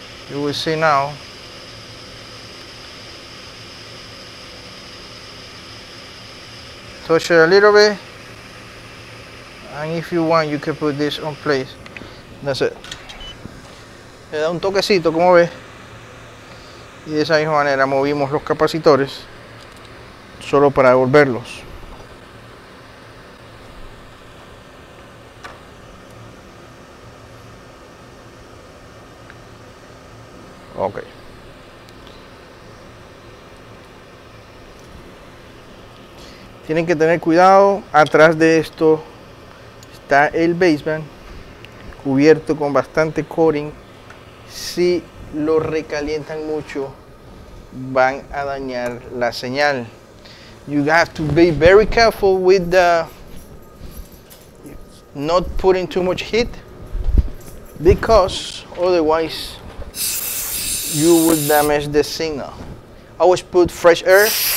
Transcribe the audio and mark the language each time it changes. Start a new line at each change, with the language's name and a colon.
English: You will see now. Touch it a little bit. And if you want, you can put this on place. That's it.
Spanish: Le da un toquecito, como ve. Y de esa misma manera movimos los capacitores, solo para devolverlos. Okay. Tienen que tener cuidado, atrás de esto está el baseband cubierto con bastante coating. Si lo recalientan mucho, van a dañar la señal.
English: You have to be very careful with the not putting too much heat, because otherwise you will damage the signal. Always put fresh air.